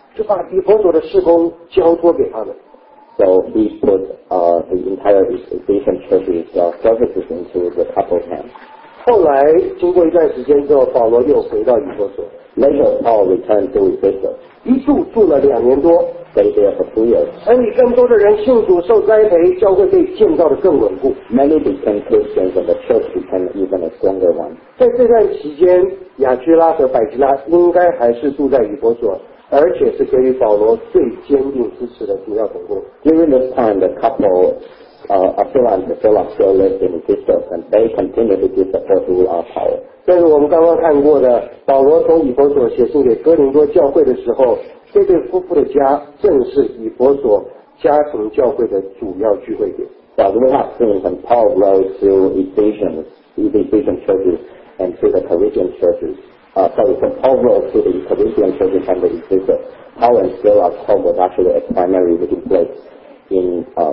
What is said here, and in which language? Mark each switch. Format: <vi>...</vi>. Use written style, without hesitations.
<zh>就把以弗所的事工交托给他们。</zh> <en>So he put the entire Ephesian church's services into the couple's hands.</en> <zh>后来经过一段时间之后，保罗又回到以弗所。</zh> <en>Later, Paul returned to Ephesus.</en> <zh>一住住了两年多。</zh> <en>stay there for 2 years.</en> <zh>而你更多的人信主受栽培，教会被建造的更稳固。</zh> <en>Many became Christians and the church became even a stronger one.</en> <zh>在这段期间，亚居拉和百吉拉应该还是住在以弗所，而且是给予保罗最坚定支持的主要总部。</zh> <en>During this time, the couple. Aquila and Priscilla still live in Ephesus, and they continue to give support to our power.</en> <zh>但是我们刚刚看过的，保罗从以弗所写信给哥林多教会的时候，这对夫妇的家正是以弗所家庭教会的主要聚会点。</zh> <en>But we have seen from Paul's letters to Ephesians, the Ephesian churches, and to the Corinthian churches. From Paul's letters to the Corinthian churches and the Ephesians, Paul and Priscilla's home was actually a primary meeting place in.</en>